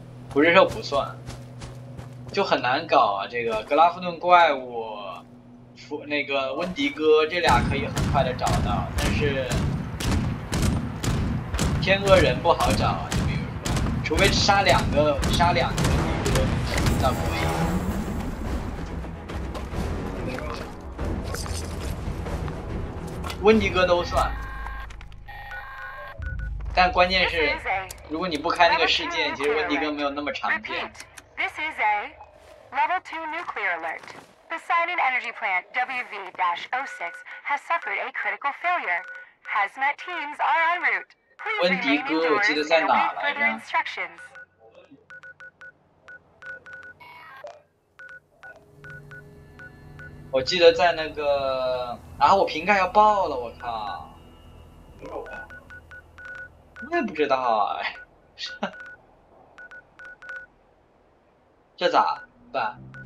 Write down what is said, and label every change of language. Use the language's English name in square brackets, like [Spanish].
[Chinese] 不是肉不算，就很难搞啊。这个格拉夫顿怪物、那个温迪哥这俩可以很快的找到，但是天鹅人不好找，就比如说，除非杀两个温迪哥，那不行。温迪哥都算，但关键是如果你不开那个事件，其实温迪哥没有那么长篇。 [English] This is a level 2 nuclear alert. The Sinan energy plant WV-06 has suffered a critical failure. Hazmat teams are en route. [Chinese] 温迪哥我记得在哪来着，我记得在那个，然后我瓶盖要爆了，我靠！我也不知道哎，这咋办？